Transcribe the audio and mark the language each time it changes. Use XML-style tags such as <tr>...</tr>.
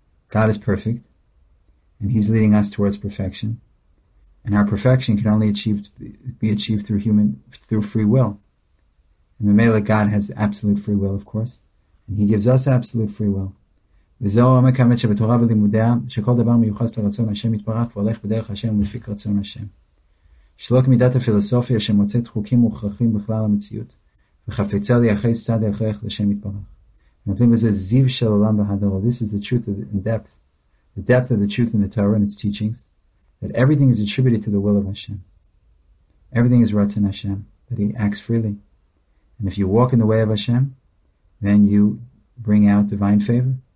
<en>God is perfect, and he's leading us towards perfection. And our perfection can only be achieved through free will. And Mamela, God has absolute free will, of course. And he gives us absolute free will.</en> <he>וזהו עומק האמת שבתורה ולימודיה, שכל דבר מיוחס לרצון השם יתברך והולך בדרך השם ומפיק רצון השם. שלא כמידת הפילוסופיה שמוצאת חוקים מוכרחים בכלל המציאות, וחפיצה ליחס צד הכרח לשם יתברך. נותנים בזה זיו של עולם בהדרו.</he> <en>This is the truth in depth, the depth of the truth in the Torah and its teachings, that everything is attributed to the will of Hashem. Everything is Ratzon Hashem, that he acts freely. And if you walk in the way of Hashem, then you bring out divine favor.</en>